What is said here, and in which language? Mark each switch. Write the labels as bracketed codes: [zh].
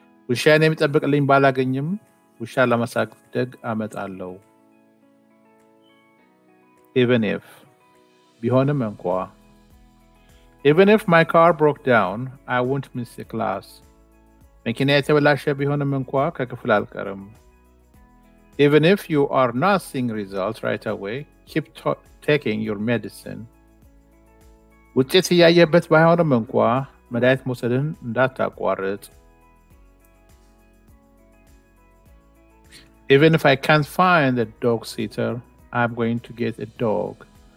[am] ውሻዬን የሚጠብቅልኝ ባላገኝም ውሻ ለማሳደግ አመጣለሁ። [en] Even if [am] ቢሆንም እንኳ [en] Even if my car broke down, I won't miss a class. [am] መኪና የተበላሸ ቢሆንም እንኳ ከክፍል አልቀርም። [en] Even if you are not seeing results right away, keep taking your medicine. [am] ውጤት እያየበት ባይሆንም እንኳ መድኃኒት መውሰድን እንዳታቋርጥ [en] Even if I can't find a dog sitter, I'm going to get a dog.